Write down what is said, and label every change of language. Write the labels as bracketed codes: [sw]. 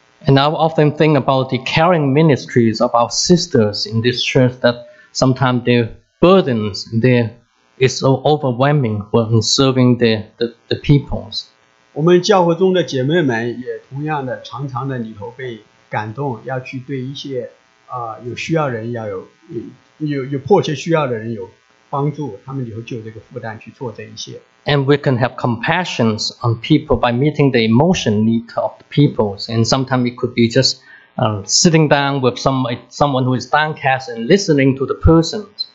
[en] And I often think about the caring ministries of our sisters in this church, that sometimes their burdens there is so overwhelming when serving the peoples. [zh] 我们教会中的姐妹们也同样的常常的里头被感动, 要去对一些, 有需要人要有迫切需要的人有帮助, 他们里头就有这个负担去做这一些。 [en] And we can have compassion on people by meeting the emotion need of the people. And sometimes it could be just sitting down with someone who is downcast and listening to the person.